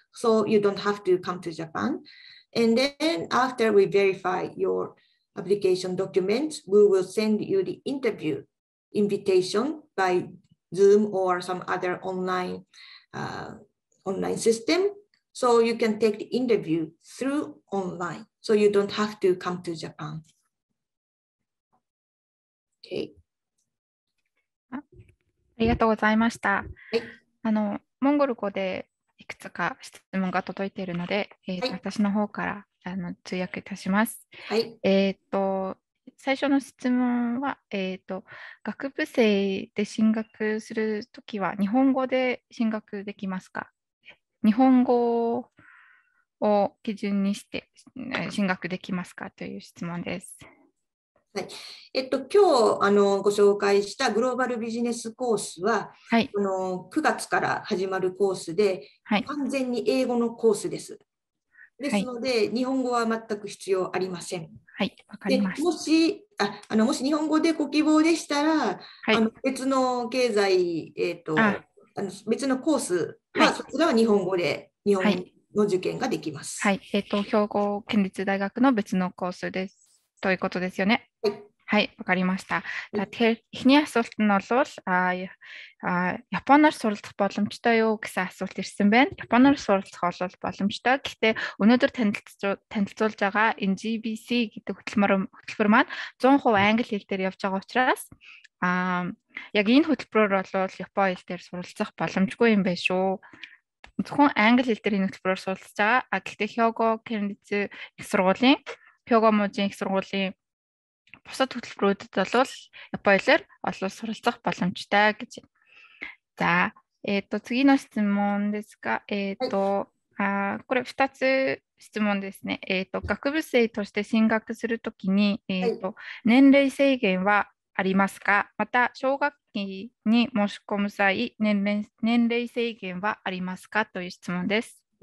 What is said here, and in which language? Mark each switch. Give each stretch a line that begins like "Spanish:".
English: So you don't have to come to Japan. And then after we verify your application documents, we will send you the interview invitation by Zoom or some other online system. So you can take the interview through online. So you don't have to come to Japan. Okay.
Japanese: ありがとうございました。はい。モンゴル語でいくつか質問が届いているので、はい、私の方から通訳いたします。はい。最初の質問は、学部生で進学するときは日本語で進学できますか？日本語を基準にして進学できますかという質問です。はい。今日ご紹介したグローバルビジネスコースは、はい、 9月から始まるコースで、はい、完全に英語のコースです。ですので、はい、日本語は全く必要ありません。はい、わかります。で、もし日本語でご希望でしたら、はい、別の経済、別のコースは、はい、そちらは日本語で、日本の受験ができます。はい、はい、兵庫県立大学の別のコースです。ということですよね。はい、わかりました。
Mongolian: Тэгэхээр эхний асуулт нь бол японоор суралцах боломжтой юу гэсэн асуулт ирсэн байна. Японоор суралцах бол боломжтой. Гэхдээ өнөөдөр танилцуулж байгаа энэ GBC гэдэг хөтөлбөр маань 100% англи хэл дээр явж байгаа учраас яг энэ хөтөлбөрөөр бол японоор хэл дээр суралцах боломжгүй юм байна шүү. Зөвхөн англи хэл дээр энэ хөтөлбөрөөр суралцаж байгаа. Гэхдээ Хёого сургуулийн Хёого мужийн сургуулийн бусад хөтөлбөрүүдэд бол японоор хэлээр олон суралцах боломжтой гэж.
Japanese: За,次の質問ですが、これ2つ質問ですね。学部生として進学するときに、年齢制限はありますか？また、奨学金に申し込む際、年齢制限はありますか？という質問です。